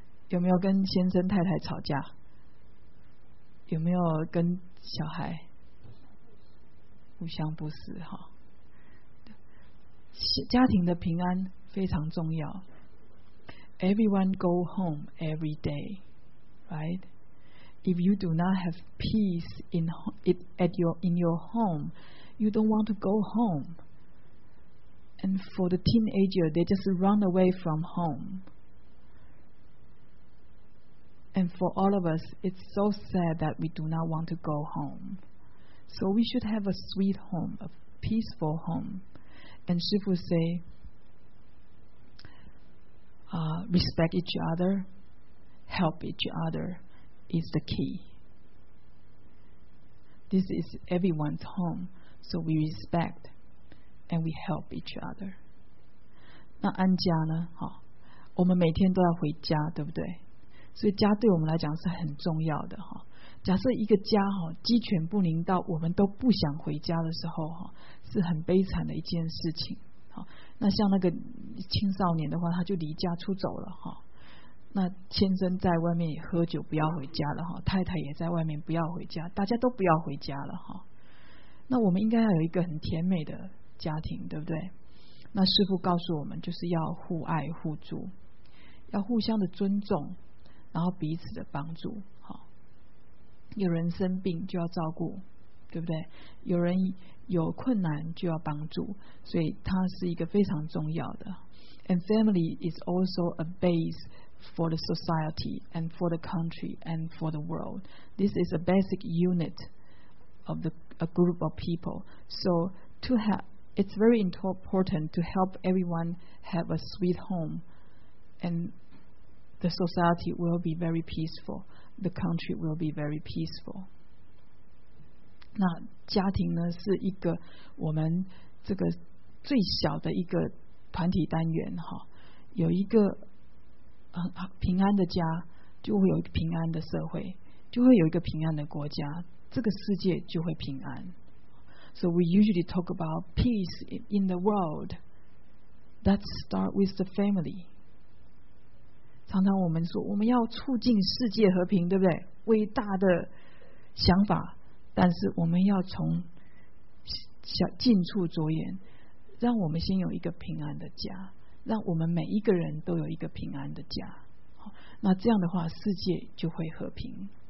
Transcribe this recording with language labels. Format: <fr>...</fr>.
<zh>有没有跟先生太太吵架？有没有跟小孩互相不识？哈，家庭的平安非常重要。</zh> <en>Everyone go home every day, right? If you do not have peace in your home, you don't want to go home. And for the teenager, they just run away from home. And for all of us, it's so sad that we do not want to go home. So we should have a sweet home, a peaceful home. And Shifu say,respect each other, help each other is the key. This is everyone's home, so we respect and we help each other.</en> <zh>那安家呢？哦，我们每天都要回家，对不对？所以家对我们来讲是很重要的。哦，假设一个家，哦，鸡犬不宁到我们都不想回家的时候，哦，是很悲惨的一件事情。那像那个青少年的话，他就离家出走了，那先生在外面也喝酒不要回家了，太太也在外面不要回家，大家都不要回家了。那我们应该要有一个很甜美的家庭，对不对？那师父告诉我们，就是要互爱互助，要互相的尊重，然后彼此的帮助。有人生病就要照顾，对不对？有人有困难就要帮助，所以它是一个非常重要的。</zh> <en>And family is also a base for the society and for the country and for the world. This is a basic unit of a group of people. So it's very important to help everyone have a sweet home, and the society will be very peaceful, the country will be very peaceful.</en> <zh>那家庭呢，是一个我们这个最小的一个团体单元，哦，有一个平安的家，就会有一个平安的社会，就会有一个平安的国家，这个世界就会平安。</zh> <en>So we usually talk about peace in the world. Let's start with the family.</en> <zh>常常我们说我们要促进世界和平，对不对？伟大的想法，但是我们要从近处着眼，让我们先有一个平安的家，让我们每一个人都有一个平安的家，那这样的话世界就会和平。</zh>